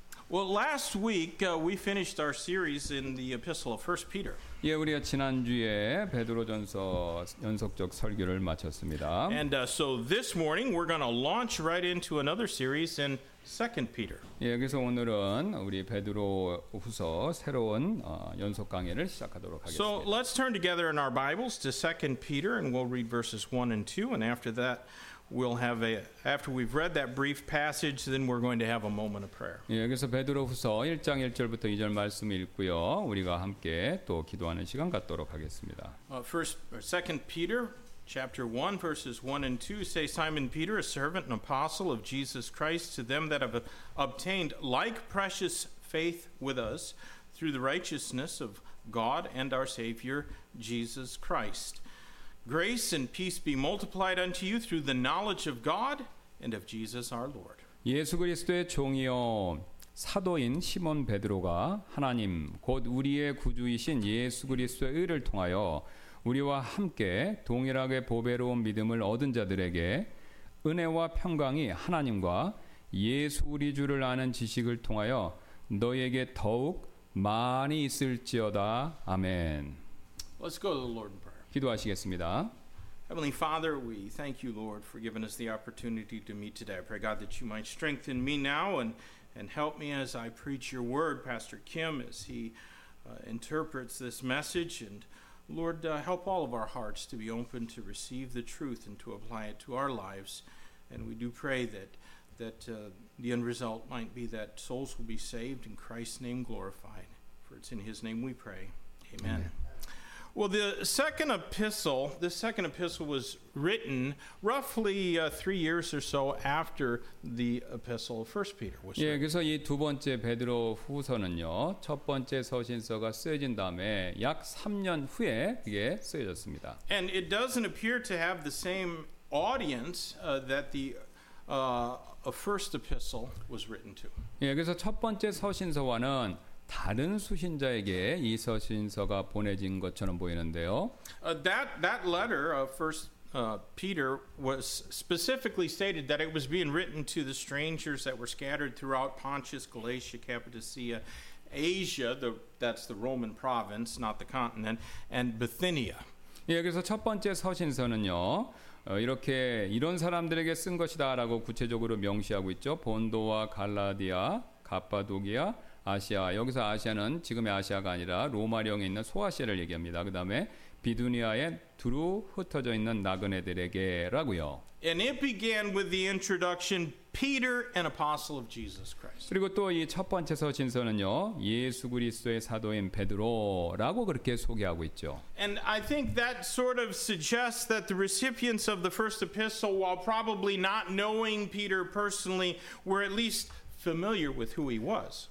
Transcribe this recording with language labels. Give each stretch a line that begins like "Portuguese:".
English: Last week we finished our series in the Epistle of 1 Peter.
Korean: 예, 우리가 지난주에 베드로전서 연속적 설교를 마쳤습니다.
English: And so this morning we're going to launch right into another series in 2 Peter.
Korean: 예, 그래서 오늘은 우리 베드로후서 새로운 연속 강의를 시작하도록 하겠습니다.
English: So let's turn together in our Bibles to 2 Peter and we'll read verses 1 and 2 and after that we'll have a after we've read that brief passage then we're going to have a moment of prayer.
Korean: 예, 그래서 베드로후서 1장 1절부터 2절 말씀 읽고요. 우리가 함께 또 기도하는 시간 갖도록 하겠습니다.
English: First or 2 Peter chapter 1 verses 1 and 2 say Simon Peter a servant and apostle of Jesus Christ to them that have obtained like precious faith with us through the righteousness of God and our Savior Jesus Christ. Grace and peace be multiplied unto you through the knowledge of God and of Jesus our Lord.
Korean: 예수 그리스도의 종이요 사도인 시몬 베드로가 하나님 곧 우리의 구주이신 예수 그리스도의 의를 통하여 우리와 함께 동일하게 보배로운 믿음을 얻은 자들에게 은혜와 평강이 하나님과 예수 우리 주를 아는 지식을 통하여 너에게 더욱 많이 있을지어다. 아멘.
English: Let's go to the Lord.
Korean: 기도하시겠습니다.
English: Heavenly Father, we thank you, Lord, for giving us the opportunity to meet today. I pray, God, that you might strengthen me now and help me as I preach your word, Pastor Kim, as he interprets this message. And Lord, help all of our hearts to be open to receive the truth and to apply it to our lives. And we do pray that the end result might be that souls will be saved in Christ's name glorified. For it's in his name we pray. Amen. Amen. Well, the second epistle was written roughly 3 years or so after the epistle of 1 Peter was written.
Korean: 예, 그래서 이 두 번째 베드로 후서는요, 첫 번째 서신서가 쓰여진 다음에 약 3년 후에 이게 쓰여졌습니다.
English: And it doesn't appear to have the same audience that the first epistle was written to.
Korean: 예, 그래서 첫 번째 서신서와는 다른 수신자에게 이 서신서가 보내진 것처럼 보이는데요.
English: That letter of first Peter was specifically stated that it was being written to the strangers that were scattered throughout Pontus, Galatia, Cappadocia, Asia, that's the Roman province, not the continent, and Bithynia.
Korean: 예, 그래서 첫 번째 서신서는요. 이렇게 이런 사람들에게 쓴 것이다라고 구체적으로 명시하고 있죠. 본도와 갈라디아, 갑파도기아, 아시아. 여기서 아시아는 지금의 아시아가 아니라 로마령에 있는 소아시아를 얘기합니다. 그다음에 비두니아에 두루 흩어져 있는 나그네들에게라고요.
English: And it began with the introduction Peter, an apostle of Jesus Christ.
Korean: 그리고 또 이 첫 번째 서신서는요. 예수 그리스도의 사도인 베드로라고 그렇게 소개하고 있죠.
English: And I think that sort of suggests that the recipients of the first epistle, while probably not knowing Peter personally, were at least familiar with who he was.